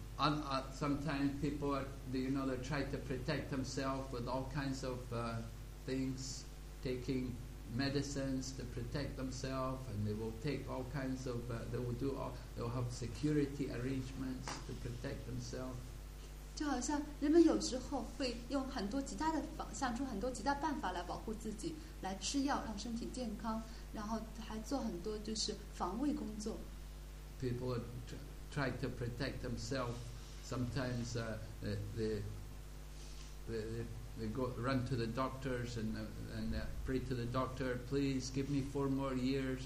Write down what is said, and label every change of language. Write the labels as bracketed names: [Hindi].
[English] Sometimes people are, you know, they try to protect themselves with all kinds of things, taking medicines to protect themselves, and they will take all kinds of, they will have security arrangements to protect themselves. [Chinese] 就好像人们有时候会用很多极大的方，想出很多极大办法来保护自己，来吃药让身体健康，然后还做很多就是防卫工作。 [English] People try to protect themselves. Sometimes they go run to the doctors and pray to the doctor, please give me 4 more years.